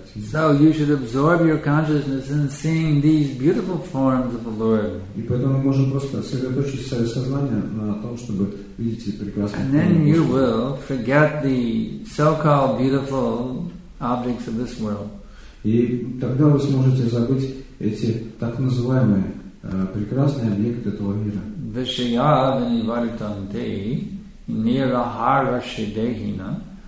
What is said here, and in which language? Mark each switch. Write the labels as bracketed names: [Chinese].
[English] So you should absorb your consciousness in seeing these beautiful forms of the Lord. [Russian] И поэтому мы можем просто сосредоточить свое сознание на том, чтобы видеть прекрасные. [English] And then you will forget the so-called beautiful objects of this world. [Russian] И тогда вы сможете забыть эти так называемые прекрасные объекты этого мира. [Sanskrit] Вишая винивартанте нирахарашидехина.